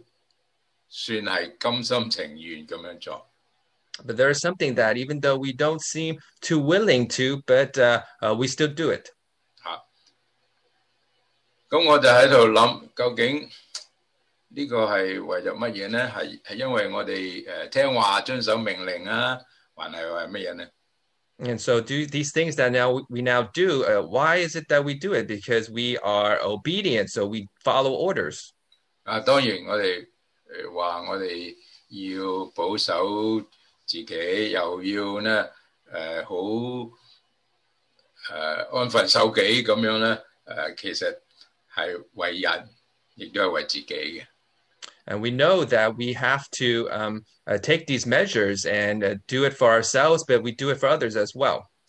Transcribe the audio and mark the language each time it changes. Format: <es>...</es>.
<zh>但是很奇怪的一件事情呢,就是我们都好像是,虽然不是很愿意,但是都算是甘心情愿这样做。</zh> <en>But there is something that even though we don't seem too willing to, but we still do it.</en> <zh>那我就在想,究竟这个是为了什么呢? 是因为我们听话遵守命令啊,还是为什么呢?</zh> <en>And so do these things that now we now do, why is it that we do it? Because we are obedient, so we follow orders.</en> <zh>当然我们说我们要保守 自己又要呢,很安分守己,其实是为人,也是为自己的。</zh> <en>And we know that we have to take these measures and do it for ourselves, but we do it for others as well.</en>